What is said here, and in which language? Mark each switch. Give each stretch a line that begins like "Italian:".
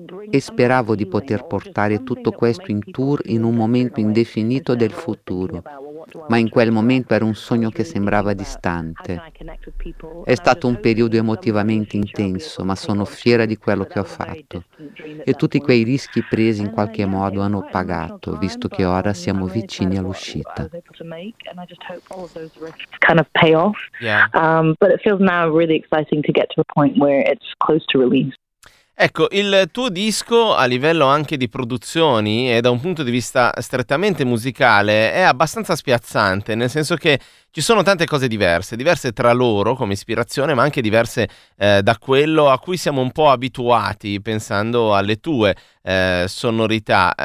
Italian: E speravo di poter portare tutto questo in tour in un momento indefinito del futuro, ma in quel momento era un sogno che sembrava distante. È stato un periodo emotivamente intenso, ma sono fiera di quello che ho fatto. E tutti quei rischi presi in qualche modo hanno pagato, visto che ora siamo vicini all'uscita.
English: But it feels now really exciting to get to a point where it's close to release.
Italian: Ecco, il tuo disco a livello anche di produzioni e da un punto di vista strettamente musicale è abbastanza spiazzante, nel senso che ci sono tante cose diverse, diverse tra loro come ispirazione, ma anche diverse da quello a cui siamo un po' abituati pensando alle tue sonorità.